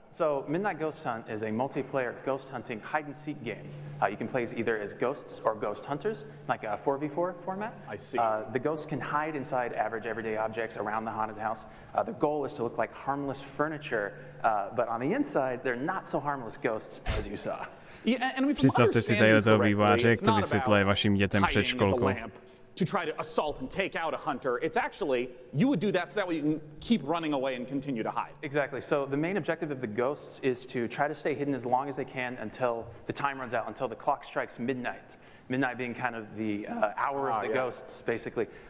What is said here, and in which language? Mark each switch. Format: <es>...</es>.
<en>So, Midnight Ghost Hunt is a multiplayer ghost hunting hide and seek game. You can play as either as ghosts or ghost hunters, like a 4v4 format. I see. The ghosts can hide inside average everyday objects around the haunted house. The goal is to look like harmless furniture, but on the inside, they're not so harmless ghosts as you saw. Yeah, and</en> <cs>představte si tady toho vývojáře, jak to vysvětluje vašim dětem před školkou.</cs> <en>To try to assault and take out a hunter, it's actually, you would do that so that way you can keep running away and continue to hide. Exactly. So the main objective of the ghosts is to try to stay hidden as long as they can until the time runs out, until the clock strikes midnight. Midnight being kind of the hour of the ghosts, basically.</en>